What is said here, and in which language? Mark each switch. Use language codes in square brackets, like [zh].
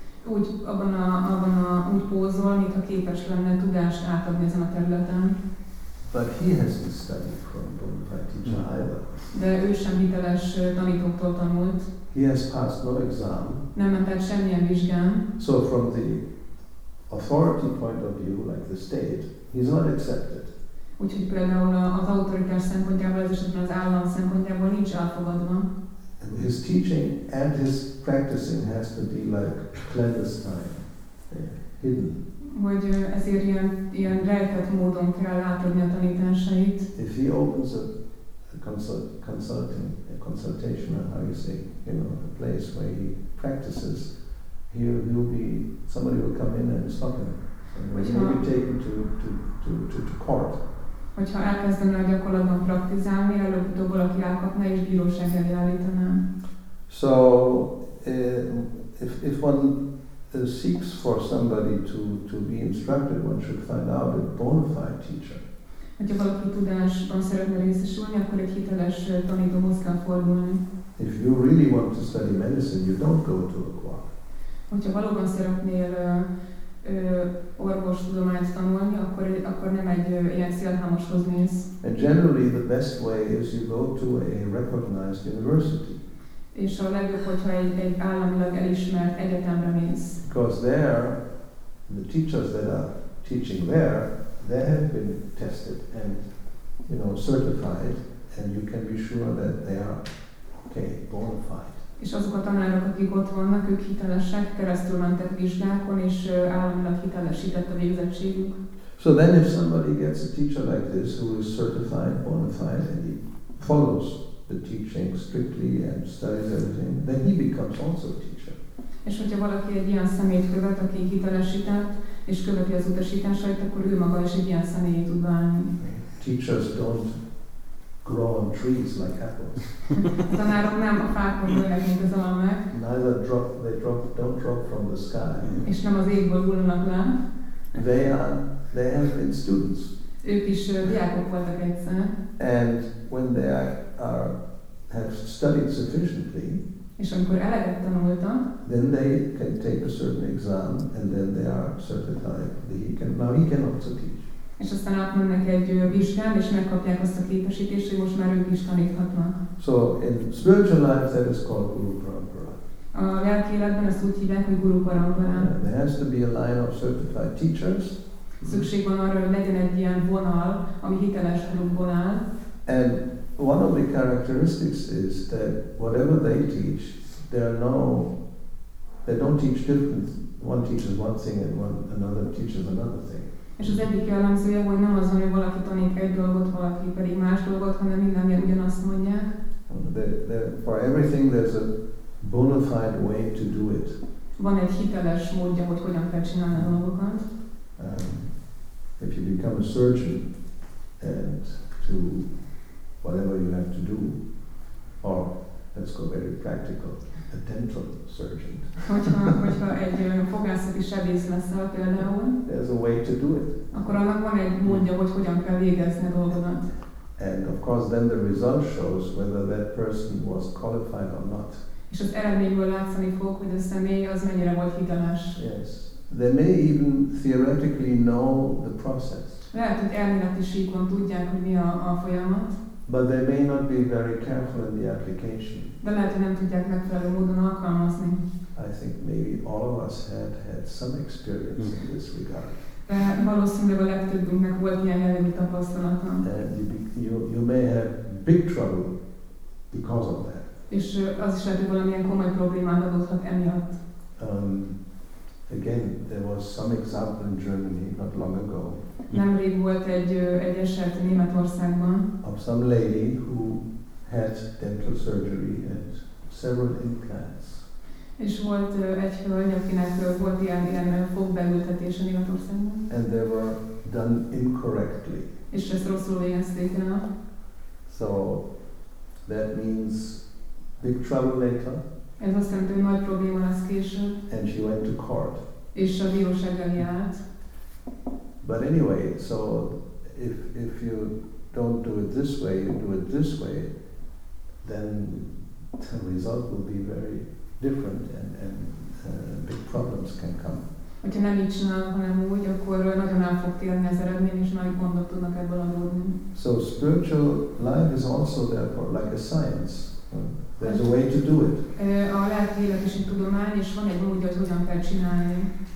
[hu] Úgy abban a úgy pózol, mintha képes lenne tudást átadni ezen a területen. [en] But he hasn't studied from bona fide teacher either. [hu] De ő sem hiteles tanítóktól tanult. [en] He has passed no exam. [hu] Nem ment el semmilyen vizsgán. [en] So from the authority point of view, like the state, he's not accepted. [hu] Úgyhogy például az autoritás szempontjából, az esetben az állam szempontjából nincs elfogadva. [en] And his teaching and his practicing has to be like clandestine, hidden. [hu] Hogy ezért ilyen rejtett módon kell átadni a tanításait. [en] If he opens a consultation, or how you say, you know, a place where he practices, somebody will come in and stop him. And he will be taken to court. [hu] Hogyha elkezdene a gyakorlatban praktizálni, előbb-utóbb valaki elkapna és bíróság elé állítaná. [en] So, if one seeks for somebody to be instructed, one should find out a bona fide teacher. [hu] Hogyha valaki tudásban szeretne részesülni, akkor egy hiteles tanítóhoz kell fordulni. [en] If you really want to study medicine, you don't go to a quack. [hu] Hogyha valóban szeretnél orvostudományt tanulni, akkor nem egy ilyen szélhámoshoz mész. [en] And generally the best way is you go to a recognized university. [hu] És a legjobb, hogyha egy államilag elismert egyetemre mész. [en] Because there, the teachers that are teaching there, they have been tested and, you know, certified, and you can be sure that they are, okay, bona fide. [hu] És azok a tanárok, akik ott vannak, ők hitelesek, keresztül mentek vizsgákon, és államilag hitelesített a végzettségük. [en] So then if somebody gets a teacher like this, who is certified, bona fide, and he follows the teaching strictly and studies everything, then he becomes also a teacher. [hu] És hogyha valaki egy ilyen személyt követ, aki hitelesített, és követi az utasításait, akkor ő maga is egy ilyen személyé tud válni. [en] Teachers don't grow on trees like apples. [hu] Tanárok nem a fákon nőnek, mint az almák. [en] Neither drop, they drop, don't drop from the sky. [hu] És nem az égből hullanak le. [en] They have been students. [hu] Ők is diákok voltak egyszer. [en] And when they have studied sufficiently, [hu] és amikor eleget tanultam, [en] then they can take a certain exam and then they are certified. Now he can also teach. [hu] És aztán átmennek egy vizsgán, és megkapják azt a képesítést, hogy most már ők is taníthatnak. [en] So in spiritual life that is called Guru Parampara. [hu] A lelki életben ezt úgy hívják, hogy Guru Parampara. [en] There has to be a line of certified teachers. [hu] Szükség van arra, hogy legyen egy ilyen vonal, ami hiteles gurukból áll. [en] And one of the characteristics is that whatever they teach, they don't teach different. One teaches one thing and another teaches another thing. [hu] És az egyik jellemzője, hogy nem az, hogy valaki tanít egy dolgot, valaki pedig más dolgot, hanem mindannyian ugyanazt mondják. [en] For everything there's a bona fide way to do it. [hu] Van egy hiteles módja, hogy hogyan kell csinálni a dolgokat. [en] If you become a surgeon and to whatever you have to do, or let's go very practical, a dental surgeon. [hu] Hogyha egy fogászati sebész leszel például, [en] there's a way to do it. [hu] Akkor annak van egy módja, hogy hogyan kell végezni a dolgokat. [en] And of course then the result shows whether that person was qualified or not. [hu] És az eredményből látszani fog, hogy a személy az mennyire volt hiteles. [en] Yes. They may even theoretically know the process. [hu] Lehet, hogy elméleti síkon tudják, hogy mi a folyamat. [en] But they may not be very careful in the application. [hu] De lehet, hogy nem tudják megfelelő módon alkalmazni. [en] I think maybe all of us had some experience in this regard. [hu] Valószínűleg a legtöbbünknek volt ilyen jellegű tapasztalata. [en] You may have big trouble because of that. [hu] És az is lehet, hogy valamilyen komoly problémát adottak emiatt. [en] Again, there was some example in Germany not long ago. [hu] Nemrég volt egy eset Németországban. [en] Of some lady who had dental surgery and several implants. [hu] És volt egy hölgy, akinek volt ilyen fogbeültetés a Németországban. [en] And they were done incorrectly. [hu] És ezt rosszul végezték el. [en] So that means big trouble later. [hu] Ez azt jelenti, hogy nagy probléma lesz később. [en] And she went to court. [hu] És a bírósággal járt. [en] But anyway, so if you don't do it this way, you do it this way, then the result will be very different and big problems can come. [hu] Hogyha nem így csinálok, hanem úgy, akkor nagyon el fog térni az eredmény, és nagy gondot tudnak ebből adódni. [en] So spiritual life is also therefore like a science. There's a way to do it. [hu] A lelki élet is egy tudomány, és van egy módja, hogy hogyan kell csinálni.